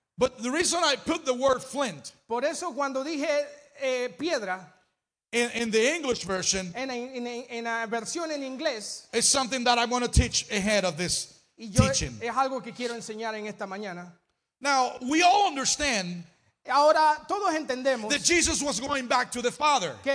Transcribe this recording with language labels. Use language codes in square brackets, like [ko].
[en] But the reason I put the word flint. [es] Por eso cuando dije piedra. [en] In the English version. [es] En la versión en inglés. [en] Is something that I want to teach ahead of this [es] y yo [en] teaching. [es] Es algo que quiero enseñar en esta mañana. [en] Now we all understand. [es] Ahora todos entendemos. [en] That Jesus was going back to the Father.